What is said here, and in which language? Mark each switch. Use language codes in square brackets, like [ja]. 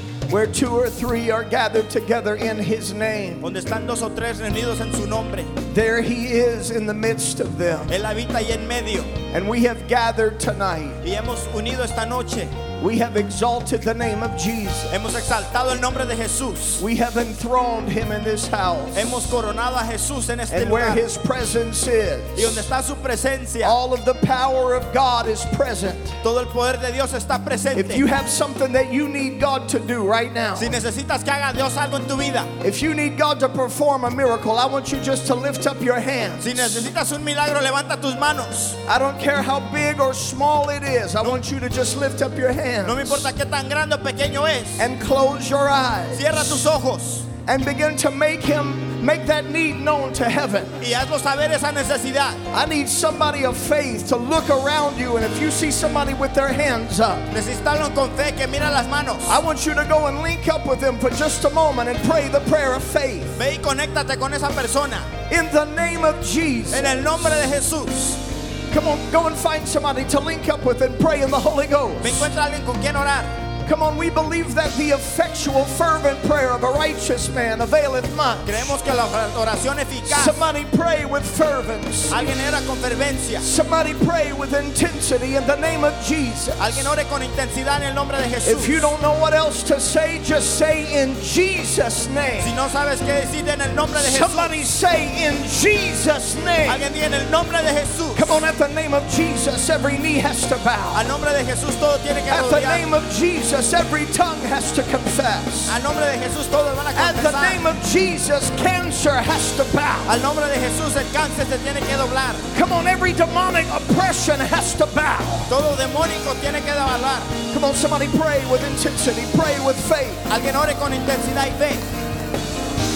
[en] Where two or three are gathered together in his name, [es] donde están dos o tres reunidos en su nombre, [en] there he is in the midst of them. [es] Él habita ahí en medio. [en] And we have gathered tonight. [es] Y hemos unido esta noche. [en] We have exalted the name of Jesus. [es] Hemos exaltado el nombre de Jesús. [en] We have enthroned him in this house. [es] Hemos coronado a Jesús en este [en] and where [es] lugar. [en] His presence is. [es] Y donde está su presencia. [en] All of the power of God is present. [es] Todo el poder de Dios está presente. [en] If you have something that you need God to do right now. [es] Si necesitas que haga Dios algo en tu vida. [en] If you need God to perform a miracle, I want you just to lift up your hands. [es] Si necesitas un milagro, levanta tus manos. [en] I don't care how big or small it is. I want you to just lift up your hands. [es] No me importa qué tan grande o pequeño es. [en] And close your eyes. [es] Cierra tus ojos. [en] And begin to make him make that need known to heaven. [es] Y hazlo saber esa necesidad. [en] I need somebody of faith to look around you, and if you see somebody with their hands up, [es] necesitarlo con fe que mira las manos. [en] I want you to go and link up with them for just a moment and pray the prayer of faith. [es] Ve y conéctate con esa persona. [en] In the name of Jesus. [es] En el nombre de Jesús. [en] Come on, go and find somebody to link up with and pray in the Holy Ghost. [es] Me encuentra alguien con quien orar. [en] Come on, we believe that the effectual, fervent prayer of a righteous man availeth much. [es] Creemos que la oración eficaz. [en] Somebody pray with fervency. [es] Alguien ora con fervencia. [en] Somebody pray with intensity in the name of Jesus. [es] Alguien ore con intensidad en el nombre de Jesús. [en] If you don't know what else to say, just say in Jesus' name. [es] Si no sabes qué decir, en el nombre de Jesús. [en] Somebody say in Jesus' name. [es] Alguien di en el nombre de Jesús. [en] Come on, at the name of Jesus, every knee has to bow. [es] Al nombre de Jesús, todo tiene que [en] at the name of Jesus. Jesus, every tongue has to confess. [es] Al nombre de Jesús, todos van a confesar. [en] At the name of Jesus, cancer has to bow. [es] Al nombre de Jesús, el cáncer se tiene que doblar. [en] Come on, every demonic oppression has to bow. [es] Todo demonico tiene que doblar. [en] Come on, somebody pray with intensity, pray with faith. [es] Alguien ore con intensidad y fe.